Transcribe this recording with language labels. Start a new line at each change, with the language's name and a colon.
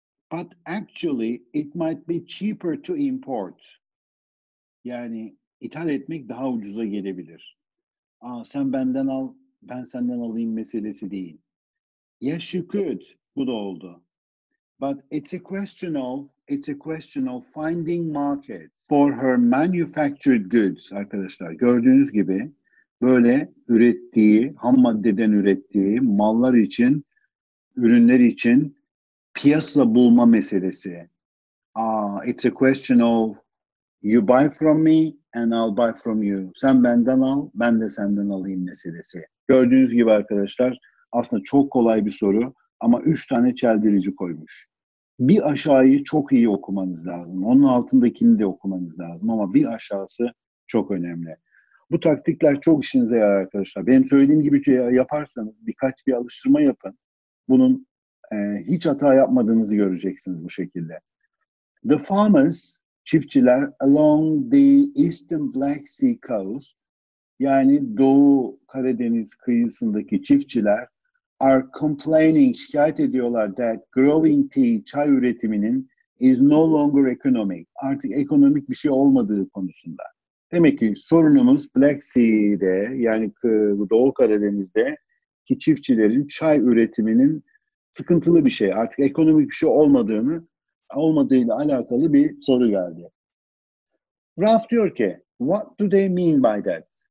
English: But actually it might be cheaper to import.
Turkish: Yani ithal etmek daha ucuza gelebilir. Aa, sen benden al, ben senden alayım meselesi değil.
English: Yes she could.
Turkish: Bu da oldu.
English: But it's a question of finding market for her manufactured goods.
Turkish: Arkadaşlar, gördüğünüz gibi böyle ürettiği, ham maddeden ürettiği mallar için, ürünler için piyasa bulma meselesi.
English: Aa, it's a question of you buy from me and I'll buy from you.
Turkish: Sen benden al, ben de senden alayım meselesi. Gördüğünüz gibi arkadaşlar, aslında çok kolay bir soru ama üç tane çeldirici koymuş. Bir aşağıyı çok iyi okumanız lazım. Onun altındakini de okumanız lazım ama bir aşağısı çok önemli. Bu taktikler çok işinize yarar arkadaşlar. Benim söylediğim gibi yaparsanız, birkaç bir alıştırma yapın. Bunun hiç hata yapmadığınızı göreceksiniz bu şekilde.
English: The farmers,
Turkish: çiftçiler,
English: along the eastern Black Sea coast,
Turkish: yani Doğu Karadeniz kıyısındaki çiftçiler
English: are complaining,
Turkish: şikayet ediyorlar
English: that growing tea,
Turkish: çay üretiminin
English: is no longer economic.
Turkish: Artık ekonomik bir şey olmadığı konusunda. Demek ki sorunumuz Black Sea'de, yani Doğu Karadeniz'de ki çiftçilerin çay üretiminin sıkıntılı bir şey. Artık ekonomik bir şey olmadığıyla alakalı bir soru geldi. Ralph diyor ki,
English: what do they mean by that?